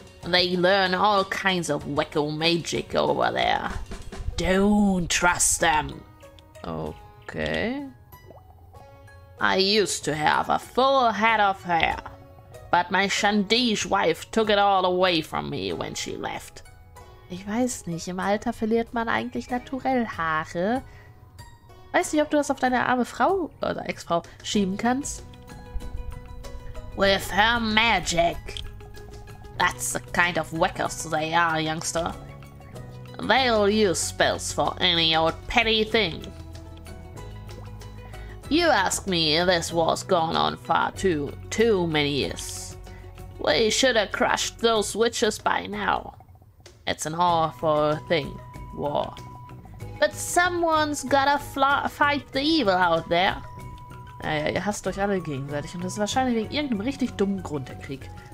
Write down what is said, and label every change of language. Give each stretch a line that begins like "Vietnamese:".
English: They learn all kinds of wacko magic over there. Don't trust them. Okay. I used to have a full head of hair. But my Chandish wife took it all away from me when she left.
German: Ich weiß nicht, im Alter verliert man eigentlich naturell Haare. Weiß nicht, ob du das auf deine arme Frau oder Ex-Frau schieben kannst.
English: With her magic. That's the kind of wackers they are, youngster. They'll use spells for any old petty thing. You ask me, this was going on far too many years. We should have crushed those witches by now. It's an awful thing, war. But someone's gotta fight the evil out there.
German: Naja, ihr hasst euch alle gegenseitig und das ist wahrscheinlich wegen irgendeinem richtig dummen Grund der Krieg.